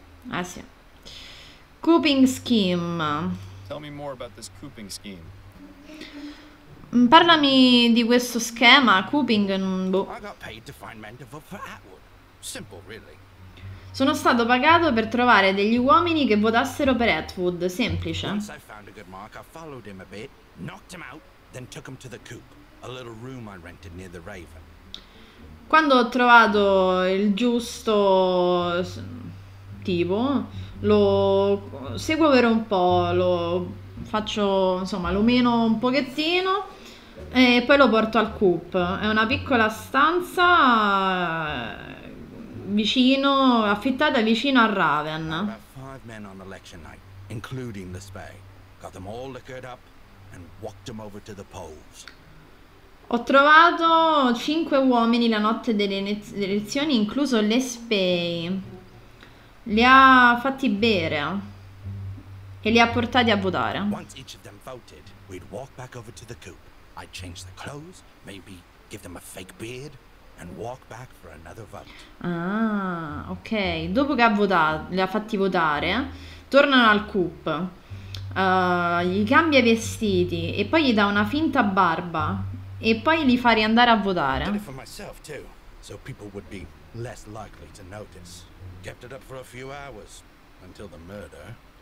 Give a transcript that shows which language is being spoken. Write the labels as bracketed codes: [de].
[it] Ah sì. [en] Coping scheme. Tell me more about this coping scheme. [it] Parlami di questo schema, coping, boh. [en] I got paid to find men to vote for Atwood. Simple, really. [it] Sono stato pagato per trovare degli uomini che votassero per Atwood, semplice. [en] Once I found a good mark, I followed him a bit, knocked him out, then took him to the coop. A little room I rented near the Raven. [it] Quando ho trovato il giusto cattivo, lo seguo per un po', lo faccio, insomma, lo meno un pochettino e poi lo porto al coop. È una piccola stanza vicino, affittata vicino [en] Had a Raven. about 5 men on election night, including the spay. Got them all liquored up and walked them over to the polls. [it] Ho trovato 5 uomini la notte delle elezioni, incluso le spey. Li ha fatti bere e li ha portati a votare. [en] Once each of them voted, we'd walk back over to the coop. I'd change the clothes, maybe give them a fake beard, and walk back for another vote. Ah, ok. [it] Dopo che ha votato, li ha fatti votare, tornano al coop. Gli cambia i vestiti e poi gli dà una finta barba. E poi li fa riandare a [en] Did it [it] votare. [en] for myself too, so people would be less likely to notice. Kept it up for a few hours, until the murder.